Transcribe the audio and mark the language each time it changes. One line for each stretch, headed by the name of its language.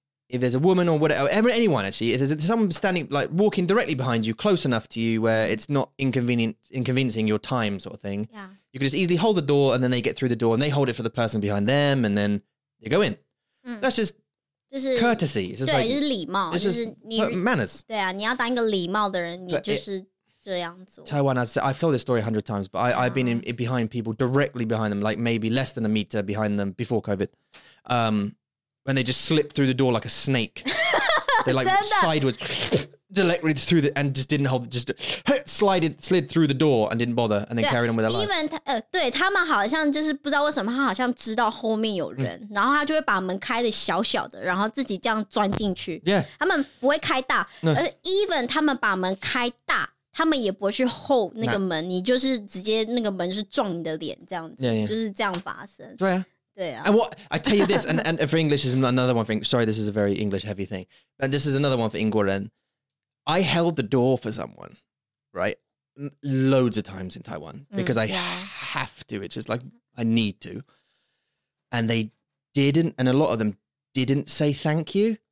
English: If there's a woman or whatever, anyone actually, if there's someone standing, like walking directly behind you, close enough to you where it's not inconveniencing your time sort of thing, yeah. You can just easily hold the door and then they get through the door and they hold it for the person behind them and then they go in. That's just...
Chinese: 就是
English: courtesy，
Chinese: 对，就是礼貌，就是你
English: manners。
Chinese: 对啊，你要当一个礼貌的人，你就是这样做。
English: Taiwan, I've told this story 100 times, but I've been in behind people directly behind them, like maybe less than a meter behind them before COVID, when they just slip through the door like a snake. They like sideways, directly through the and just didn't hold, just slid through the door and didn't bother and then carried on with their life.
Chinese: Even 对他们好像就是不知道为什么他好像知道后面有人，然后他就会把门开的小小的，然后自己这样钻进去。
English: Yeah,
Chinese: 他们不会开大，而 even 他们把门开大，他们也不会去 hold 那个门，你就是直接那个门是撞你的脸这样子，就是这样发生。对啊。对啊、
English: and what I tell you this, and for English is another one thing. Sorry, this is a very English heavy thing, but this is another one for 英国人. I held the door for someone, right? Loads of times in Taiwan because I have to. It's just like I need to. And they didn't, and a lot of them didn't say thank you.